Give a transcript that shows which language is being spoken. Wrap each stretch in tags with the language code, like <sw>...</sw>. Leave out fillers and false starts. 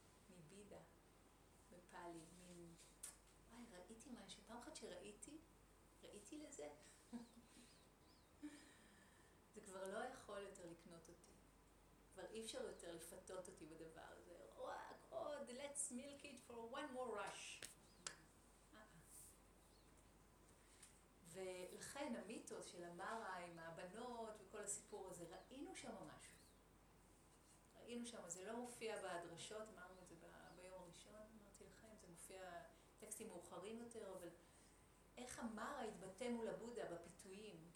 <he>מבידה, בפאלי, מין, וואי, ראיתי משהו, פעם אחת שראיתי, ראיתי לזה, זה כבר לא יכול יותר לקנות אותי. כבר אי אפשר יותר לפתות אותי בדבר הזה. רק עוד,</he> <en>let's milk it for one more rush.</en> <he>ולכן המיתוס של המרה עם הבנות וכל הסיפור הזה, ראינו שם משהו. ראינו שם, זה לא מופיע בהדרשות, אמרנו את זה ביום הראשון, אמרתי לכם, זה מופיע טקסטים מאוחרים יותר, אבל איך המרה התבטא מול הבודה בפיתויים?</he>